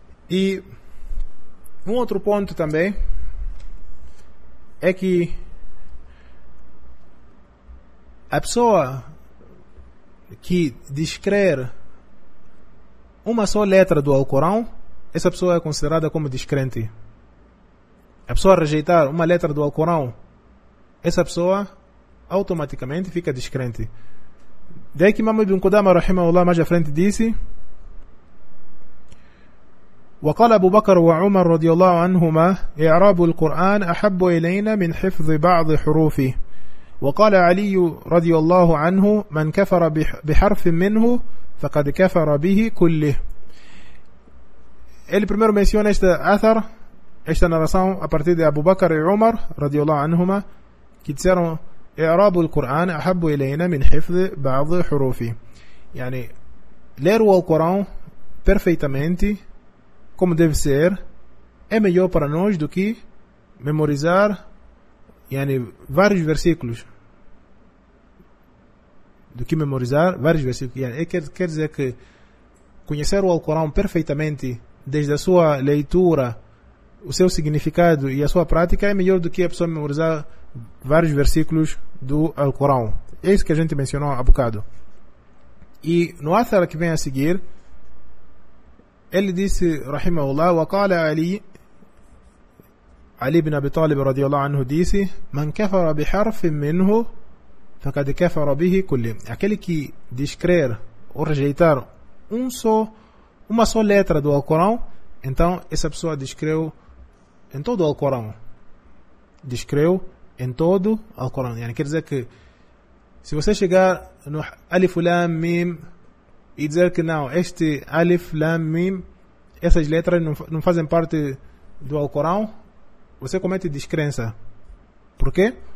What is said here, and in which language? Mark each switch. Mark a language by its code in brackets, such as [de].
[pt] E um outro ponto também é que a pessoa que descrer uma só letra do Alcorão, essa pessoa é considerada como descrente. A pessoa rejeitar uma letra do Alcorão, essa pessoa automaticamente fica descrente. Daí que Imam Ibn Qudama rahimahullah mais à frente disse: [ar] وقال أبو بكر وعمر رضي الله عنهما إعراب القرآن أحب إلينا من حفظ بعض حروفه. وقال علي رضي الله عنه من كفر بحرف منه فقد كفر به كله. [pt] Ele primeiro menciona este Athar, esta narração a partir de Abu Bakr e Umar [ar] رضي الله عنهما, [pt] que disseram [ar] إعراب القرآن أحب إلينا من حفظ بعض حروفه. [pt] Yani, ler o Alcorão perfeitamente como deve ser, é melhor para nós do que memorizar yani, vários versículos. Do que memorizar vários versículos. Yani, quer dizer que conhecer o Alcorão perfeitamente, desde a sua leitura, o seu significado e a sua prática, é melhor do que a pessoa memorizar vários versículos do Alcorão. É isso que a gente mencionou há bocado. E no Athar que vem a seguir, ele disse, rahimahullah, [ar] وقال علي بن أبي طالب رضي الله عنه disse: من كفر بحرف منه فقد كفر به كله. [pt] Aquele que descrer ou rejeitar uma só letra do Alcorão, então essa pessoa descreu em todo o Alcorão. Descreu em todo o Alcorão. Yani, quer dizer que se você chegar no Alif Lam Mim e dizer que não, este Alif, Lam, Mim, essas letras não fazem parte do Alcorão, você comete descrença. Por quê?